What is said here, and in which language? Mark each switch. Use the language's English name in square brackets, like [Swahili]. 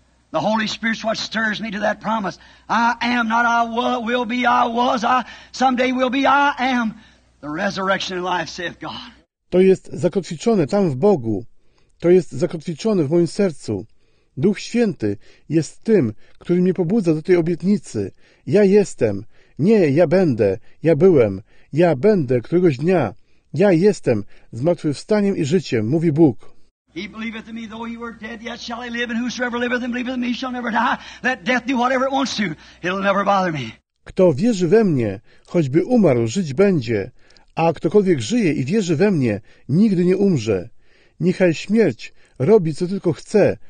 [English] The Holy Spirit's what stirs me to that promise. I am, not I was, will be, I was, I someday will be, I am. The resurrection and life, saith God. [Polish] To jest zakotwiczone tam w Bogu. To jest zakotwiczone w moim sercu. Duch Święty jest tym, który mnie pobudza do tej obietnicy. Ja jestem. Nie, ja będę. Ja byłem. Ja będę któregoś dnia. Ja jestem zmartwychwstaniem i życiem, mówi Bóg. [English] He believeth in me, though he were dead, yet shall he live, and whosoever liveth and believeth in me shall never die. Let death do whatever it wants to. It'll never bother me. [Polish] Kto wierzy we mnie, choćby umarł, żyć będzie. A ktokolwiek żyje i wierzy we mnie, nigdy nie umrze. Niechaj śmierć robi, co tylko chce.